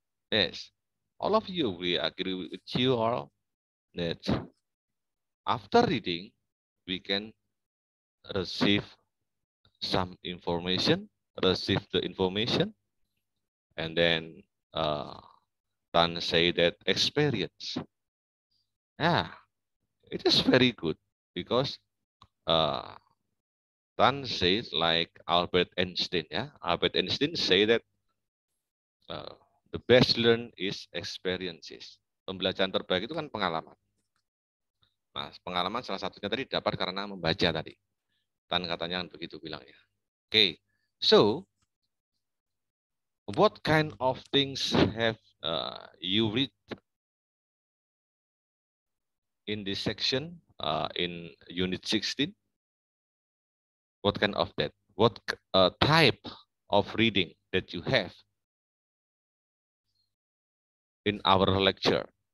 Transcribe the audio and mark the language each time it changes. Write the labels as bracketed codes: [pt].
[en] Yes, all of you, we agree with you all that after reading, we can receive some information, receive the information, and then Tan say that experience. Yeah. It is very good because Tan says like Albert Einstein. Yeah, Albert Einstein say that the best learn is experiences. [id] Pembelajaran terbaik itu kan pengalaman. Nah, pengalaman salah satunya tadi dapat karena membaca tadi. Dan katanya begitu bilangnya. [en] Okay, so what kind of things have you read in this section in unit 16? What kind of that? What type of reading that you have in our lecture?